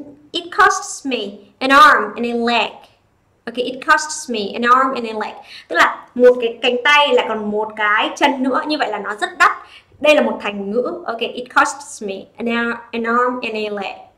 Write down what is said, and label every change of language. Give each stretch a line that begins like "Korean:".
English: It costs me an arm and a leg. Ok, it costs me an arm and a leg.
Vietnamese: Tức là một cái cánh tay là còn một cái chân nữa. Như vậy là nó rất đắt. Đây là một thành ngữ.
English: Ok, it costs me an arm and a leg.